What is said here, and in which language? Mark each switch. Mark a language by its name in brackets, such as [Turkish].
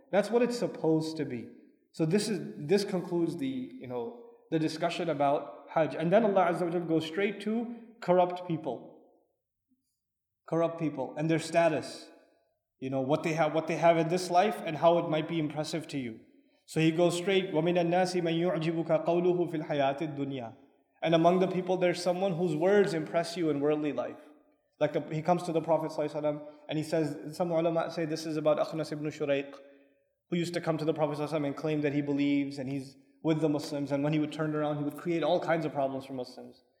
[English] That's what it's supposed to be. So this concludes the discussion about Hajj. And then Allah Azza wa Jalla goes straight to corrupt people. Corrupt people and their status. You know, what they have in this life and how it might be impressive to you. [Arabic] So he goes straight, وَمِنَ النَّاسِ مَنْ يُعْجِبُكَ قَوْلُهُ فِي الْحَيَاةِ الدُّنْيَا. [English] And among the people, there's someone whose words impress you in worldly life. Like he comes to the Prophet Sallallahu Alaihi Wasallam and he says, some ulama say this is about Akhnas ibn Shuraiq, who used to come to the Prophet Sallallahu Alaihi Wasallam and claim that he believes and he's with the Muslims, and when he would turn around, he would create all kinds of problems for Muslims.